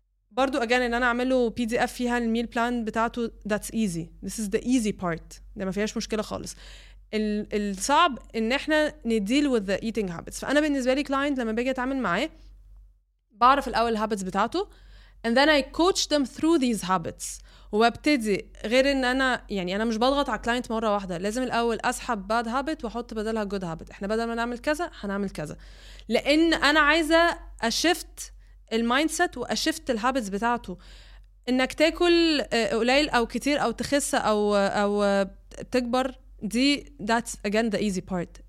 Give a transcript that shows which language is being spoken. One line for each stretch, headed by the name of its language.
Arabic: برضو اجان ان انا اعمله بي دي اف فيها الميل بلان بتاعته,
English: that's easy, this is the easy part,
Arabic: ده ما فيهاش مشكله خالص. الصعب ان احنا
English: Deal with the eating habits.
Arabic: فانا بالنسبه لي كلاينت لما باجي اتعامل معاه بعرف الاول الهابتس بتاعته,
English: and then I coach them through these habits.
Arabic: وابتدي غير ان انا يعني انا مش بضغط على كلاينت مرة واحدة, لازم الاول اسحب
English: bad habit
Arabic: واحط بدلها
English: good habit.
Arabic: احنا بدل ما نعمل كذا هنعمل كذا, لان انا عايزة اشفت المايندسيت واشفت الهابتس بتاعته. انك تاكل قليل او كتير او تخس او تكبر, دي
English: that's again the easy part.